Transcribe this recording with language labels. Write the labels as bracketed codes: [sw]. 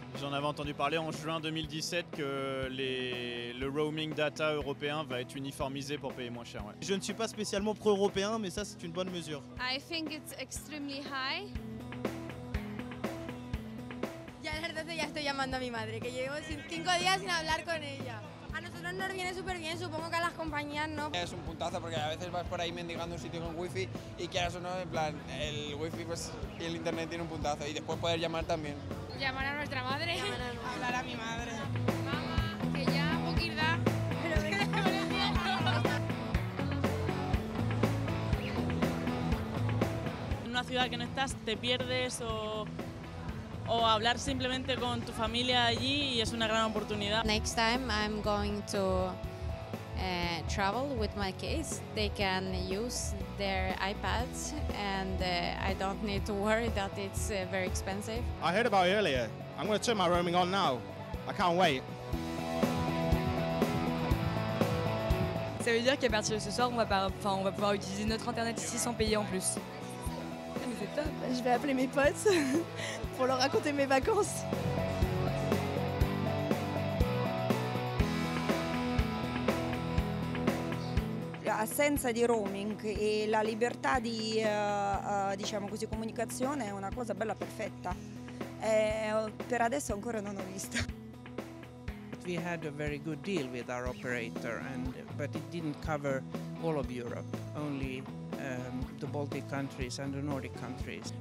[fr] J'en avais entendu parler en juin 2017 que le roaming data européen va être uniformisé pour payer moins cher. Ouais. Je ne suis pas spécialement pro-européen, mais ça c'est une bonne mesure. [en] I think it's extremely high. [es] Ya la verdad ya estoy llamando a mi madre, que llevo 5 días sin hablar con ella. A nosotros nos viene súper bien, supongo que a las compañías no. Es un puntazo porque a veces vas por ahí mendigando un sitio con wifi y quieras o no, en plan, el wifi pues, y el internet tiene un puntazo y después poder llamar también. Llamar a nuestra madre. Hablar a mi madre. Mamá, que ya, poquita. Pero es que déjame el tiempo. En una ciudad que no estás, te pierdes o hablar simplemente con tu familia allí y es una gran oportunidad. [en] Next time I'm going to travel with my kids. They can use their iPads and I don't need to worry that it's very expensive. I heard about it earlier. I'm going to turn my roaming on now. I can't wait. [fr] Ça veut dire qu'à partir de ce soir, on va pouvoir utiliser notre internet ici sans payer en plus. Top. Je vais appeler mes potes pour leur raconter mes vacances. [it] L'assenza di roaming e la libertà di diciamo così, comunicazione è una cosa bella perfetta. E per adesso ancora non ho visto. [en] We had a very good deal with our operator, but it didn't cover all of Europe, only the Baltic countries and the Nordic countries.